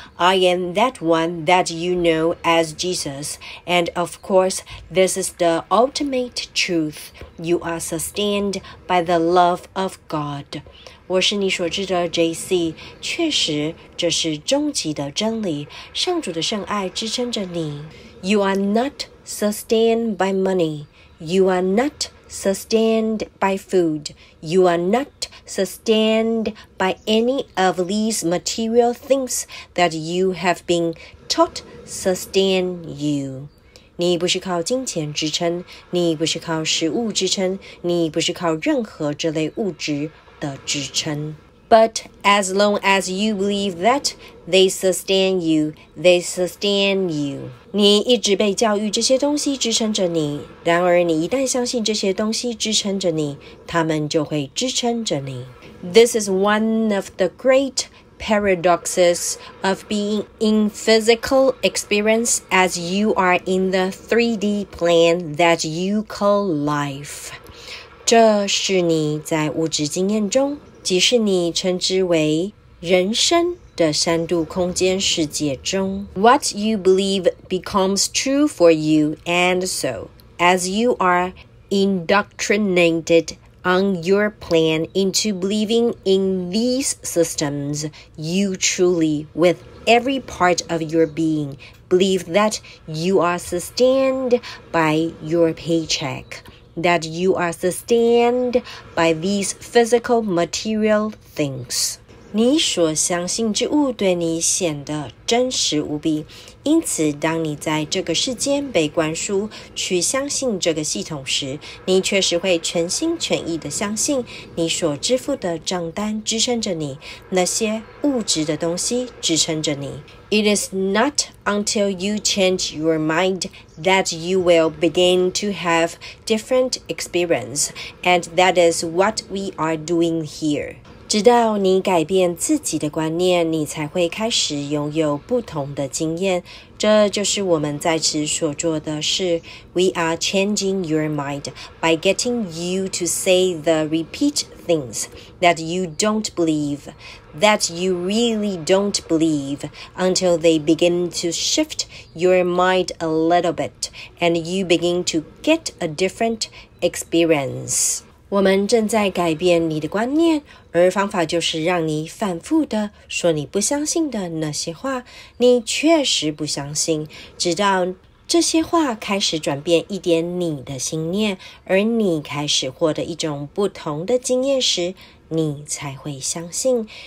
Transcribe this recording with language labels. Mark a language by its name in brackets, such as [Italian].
[English] I am that one that you know as Jesus. And of course, this is the ultimate truth. You are sustained by the love of God. [Chinese] 我是你所知的 JC， 确实这是终极的真理，上主的圣爱支撑着你。 [English] You are not sustained by money. You are not sustained by food. You are not sustained by any of these material things that you have been taught sustain you. [Chinese] 你不是靠金钱支撑，你不是靠食物支撑，你不是靠任何这类物质的支撑。 [English] But as long as you believe that, they sustain you, they sustain you. [Chinese] 你一直被教育这些东西支撑着你，然而你一旦相信这些东西支撑着你，他们就会支撑着你。 [English] This is one of the great paradoxes of being in physical experience as you are in the 3D plane that you call life. [Chinese] 这是你在物质经验中，即是你称之为人生的三度空间世界中。 [English] What you believe becomes true for you, and so, as you are indoctrinated on your plan into believing in these systems, you truly, with every part of your being, believe that you are sustained by your paycheck. That you are sustained by these physical material things. [Chinese] 你所相信之物对你显得真实无比，因此当你在这个世间被灌输去相信这个系统时，你确实会全心全意地相信你所支付的账单支撑着你，那些物质的东西支撑着你。 [English] It is not until you change your mind that you will begin to have different experience, and that is what we are doing here. [Chinese] 直到你改变自己的观念，你才会开始拥有不同的经验。这就是我们在此所做的事。 [English] We are changing your mind by getting you to say the repeat things that you don't believe, that you really don't believe, until they begin to shift your mind a little bit, and you begin to get a different experience. [Chinese] 我们正在改变你的观念，而方法就是让你反复地说你不相信的那些话。你确实不相信，直到这些话开始转变一点你的心念，而你开始获得一种不同的经验时，你才会相信。